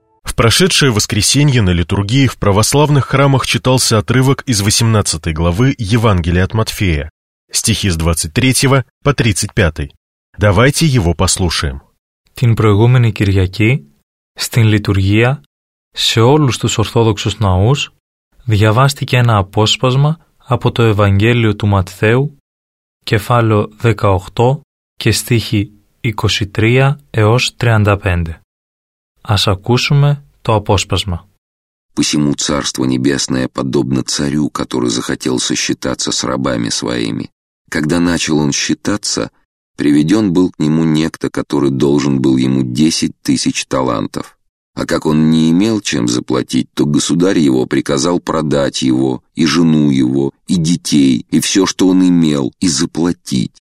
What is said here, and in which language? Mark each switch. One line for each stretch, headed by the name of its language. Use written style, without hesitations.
Russian: В прошедшее воскресенье на литургии в православных храмах читался отрывок из 18 главы Евангелия от Матфея, стихи с 23 по 35. Давайте его послушаем.
Greek: Την προηγούμενη Κυριακή, στην λειτουργία, σε όλους τους Ορθόδοξους ναούς, διαβάστηκε ένα απόσπασμα από το Ευαγγέλιο του Ματθαίου, κεφάλαιο 18 και στίχοι 23 έως 35. Ας ακούσουμε το απόσπασμα.
Russian: «Посему царство небесное подобно царю, который захотел сосчитаться с рабами своими. Когда начал он считаться, приведен был к нему некто, который должен был ему 10 000 талантов. А как он не имел чем заплатить, то государь его приказал продать его, и жену его, и детей, и все, что он имел, и заплатить.